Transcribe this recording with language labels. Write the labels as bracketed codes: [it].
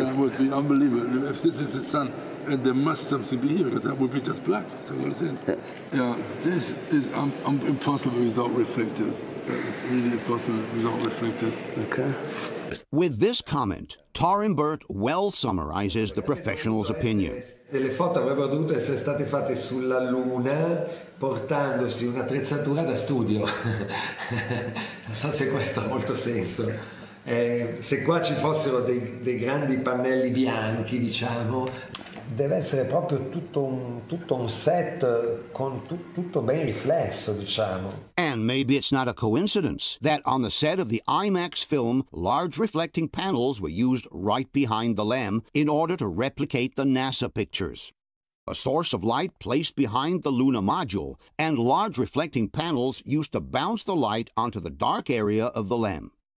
[en] That would be unbelievable. If this is the sun, and there must something be here, because that would be just black. So what is it? Yes. Yeah, this is impossible without reflectors. It's really impossible without reflectors. Okay. With this comment, Torin Burt well summarizes the professional's opinion. [it] Le foto avrebbero dovuto essere state fatte sulla Luna portandosi un'attrezzatura da studio. Non so se questo ha molto senso. Se qua ci fossero dei grandi pannelli bianchi, diciamo, deve essere proprio tutto un set con tutto ben riflesso, diciamo. [en] And maybe it's not a coincidence that on the set of the IMAX film, large reflecting panels were used right behind the LEM in order to replicate the NASA pictures. A source of light placed behind the lunar module, and large reflecting panels used to bounce the light onto the dark area of the LEM.